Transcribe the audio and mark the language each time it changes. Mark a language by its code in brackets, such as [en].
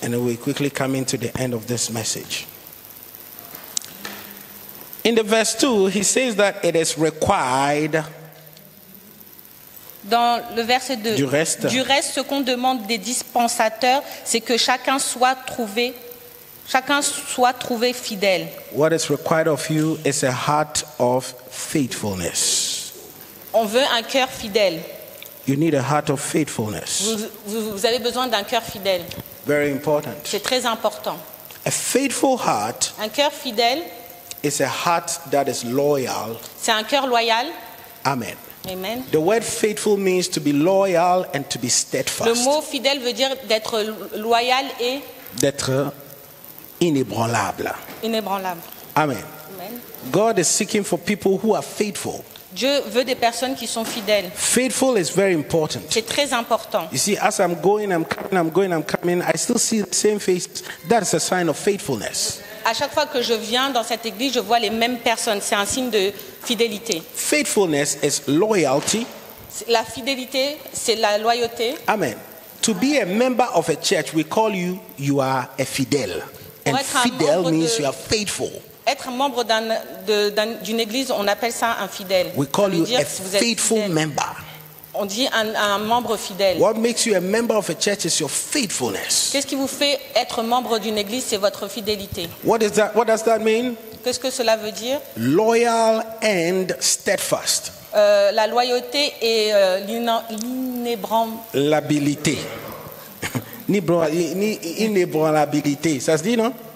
[en] And we quickly come into the end of this message. In the verse 2, he says that it is required. [fr] Dans le verset 2, du reste, ce qu'on demande des dispensateurs, c'est que chacun soit trouvé fidèle. [en] What is required of you is a heart of faithfulness. [fr] On veut un cœur fidèle. [en] You need a heart of faithfulness. [fr] Vous avez besoin d'un cœur fidèle. [en] Very important. [fr] C'est très important. [en] A faithful heart. [fr] Un cœur fidèle. [en] It's a heart that is loyal. [fr] C'est un cœur loyal. Amen. Amen. [en] The word faithful means to be loyal and to be steadfast. [fr] Le mot fidèle veut dire d'être loyal et d'être inébranlable. Inébranlable. Amen. Amen. [en] God is seeking for people who are faithful. [fr] Dieu veut des personnes qui sont fidèles. [en] Faithful is very important. [fr] C'est très important. [en] You see, as I'm going, I'm coming, I still see the same face. That is a sign of faithfulness. [fr] À chaque fois que je viens dans cette église, je vois les mêmes personnes. C'est un signe de fidélité. [en] Faithfulness is loyalty. [fr] La fidélité, c'est la loyauté. [en] Amen. To be a member of a church, we call you are a fidèle. And fidèle means you are faithful. [fr] Être membre d'une église, on appelle ça un fidèle. [en] We call you a faithful member. [fr] On dit un membre fidèle. [en] What makes you a member of a church is your faithfulness. [fr] Qu'est-ce qui vous fait être membre d'une église, c'est votre fidélité. [en] What does that mean? [fr] Qu'est-ce que cela veut dire? [en] Loyal and steadfast. [fr] La loyauté et l'inébranlabilité. Inébranlabilité, ça se dit, non?